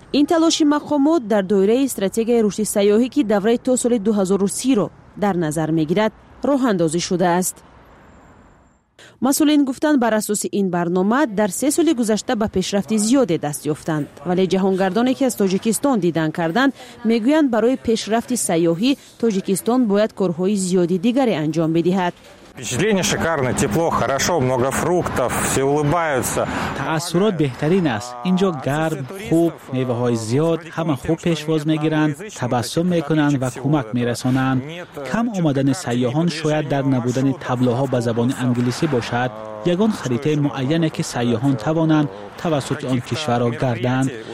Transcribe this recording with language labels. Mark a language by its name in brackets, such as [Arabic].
[Persian] این تلاش مقامات در دایره استراتژی رشد سیاحی که دوره تا سال 2030 را در نظر میگیرد، راه اندازی شده است. مسئولین گفتند بر اساس این برنامه در 3 سال گذشته به پیشرفت زیادی دست یافتند، ولی جهانگردانی که از تاجیکستان دیدن کردند میگویند برای پیشرفت سیاحی تاجیکستان باید کارهای زیادی دیگری انجام بدهد. [Russian] впечатление шикарное, тепло, хорошо, много фруктов, все улыбаются. [Persian] تأثیرات بهترین است. اینجا گرم، خوب، میوه‌های زیاد، همه خوب پیشواز می‌گیرند، تبسم می‌کنند و کمک می‌رسانند. کم آمدن سیاحان شاید در نبودن تبلیغات به زبان انگلیسی باشد. یگان خریطه معینه که سیاحان توانند توسط آن کشور را گردند.